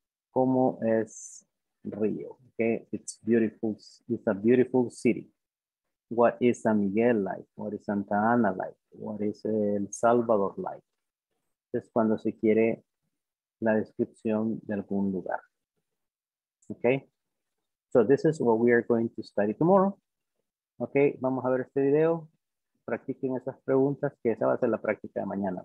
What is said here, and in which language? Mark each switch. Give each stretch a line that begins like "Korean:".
Spanish: ¿Cómo es Rio?
English: Okay. It's beautiful. It's a beautiful city. What is San Miguel like? What is Santa Ana like? What is El Salvador like?
Spanish: Es cuando se quiere la descripción de algún lugar.
English: Okay? So this is what we are going to study tomorrow.
Spanish: Okay? Vamos a ver este video. Practiquen esas preguntas, que esa va a ser la práctica de mañana.